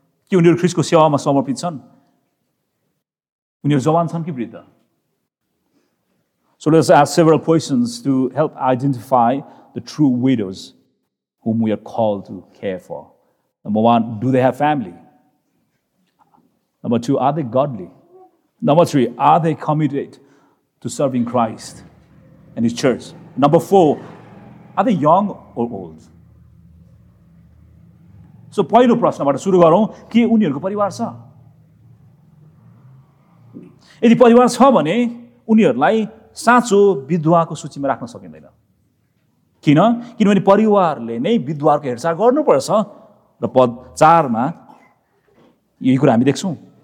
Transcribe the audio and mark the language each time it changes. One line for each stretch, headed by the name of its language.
Nepali: के उनीहरू ख्रिस्टको सेवामा समर्पित छन्? उनीहरू जवान छन् कि वृद्ध?
English: So let's ask several questions to help identify the true widows whom we are called to care for. Number one, do they have family? Number two, are they godly? Number three, are they committed to serving Christ and His church? Number four, are they young or old?
Nepali: So, पहिलो प्रश्नबाट सुरु गरौँ, के उनीहरूको परिवार छ? यदि परिवार छ भने उनीहरूलाई साँचो विधवाको सूचीमा राख्न सकिँदैन। किन? किनभने परिवारले नै विधवाको हेरचाह गर्नुपर्छ। र पद 4 यही कुरा हामी देख्छौँ।